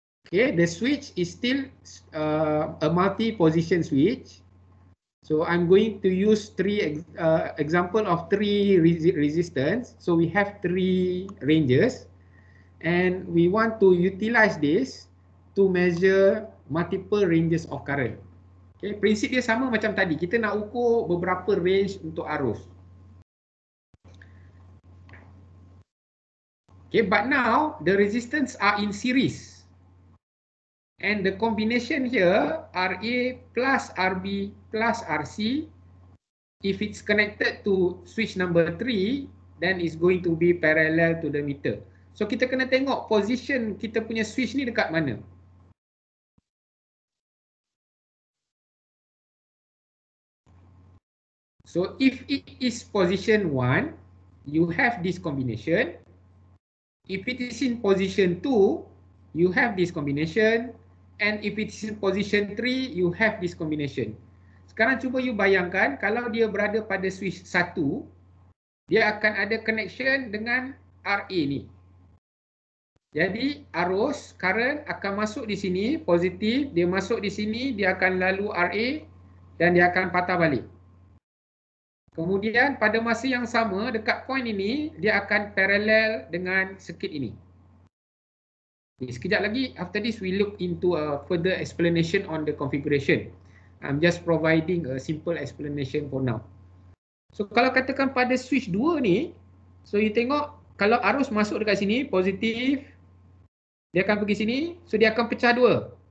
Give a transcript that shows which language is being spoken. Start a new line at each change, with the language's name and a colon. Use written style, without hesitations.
English: Okay, the switch is still a multi-position switch. So I'm going to use three example of three resistance. So we have three ranges and we want to utilize this to measure multiple ranges of current.
Malay: Okay, prinsip dia sama macam tadi. Kita nak ukur beberapa range untuk arus.
English: Okay, but now the resistance are in series. And the combination here, RA plus RB plus RC, if it's connected to switch number 3, then it's going to be parallel to the meter.
Malay: So kita kena tengok position kita punya switch ni dekat mana.
English: So if it is position 1, you have this combination. If it is in position 2, you have this combination. And if it's in position 3, you have this combination.
Malay: Sekarang cuba you bayangkan kalau dia berada pada switch 1, dia akan ada connection dengan RA ni. Jadi arus, current akan masuk di sini, positif, dia masuk di sini, dia akan lalu RA dan dia akan patah balik. Kemudian pada masa yang sama dekat point ini, dia akan parallel dengan circuit ini. Sekejap lagi,
English: after this we look into a further explanation on the configuration. I'm just providing a simple explanation for now.
Malay: So kalau katakan pada switch 2 ni, so you tengok kalau arus masuk dekat sini, positif, dia akan pergi sini, so dia akan pecah dua.